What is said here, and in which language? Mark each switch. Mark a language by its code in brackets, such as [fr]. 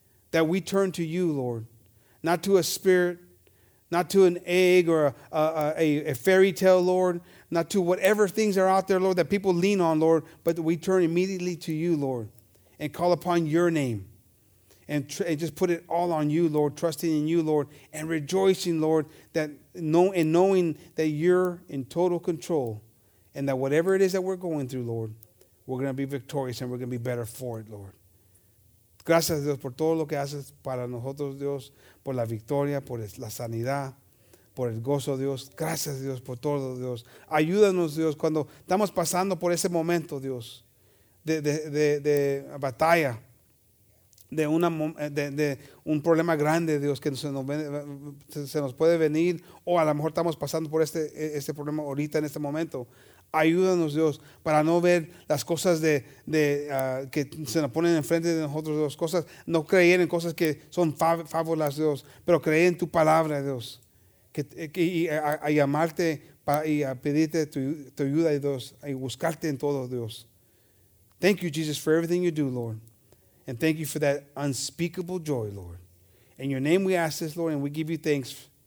[en] that we turn to you, Lord, not to a spirit, not to an egg or a fairy tale, Lord, not to whatever things are out there, Lord, that people lean on, Lord, but we turn immediately to you, Lord, and call upon your name and just put it all on you, Lord, trusting in you, Lord, and rejoicing, Lord, knowing that you're in total control and that whatever it is that we're going through, Lord, we're going to be victorious and we're going to be better for it, Lord. [es] Gracias, Dios, por todo lo que haces para nosotros, Dios, por la victoria, por la sanidad, por el gozo, Dios. Gracias, Dios, por todo, Dios. Ayúdanos, Dios, cuando estamos pasando por ese momento, Dios, de batalla, de un problema grande, Dios, que se nos puede venir, o a lo mejor estamos pasando por este problema ahorita, en este momento. Ayúdanos, Dios, para no ver las cosas que se nos ponen enfrente de nosotros, Dios, cosas, no creer en cosas que son fábulas, Dios, pero creer en tu palabra, Dios, y a llamarte y a pedirte tu ayuda, Dios, y buscarte en todo, Dios. [en] Thank you, Jesus, for everything you do, Lord, and thank you for that unspeakable joy, Lord. In your name we ask this, Lord, and we give you thanks.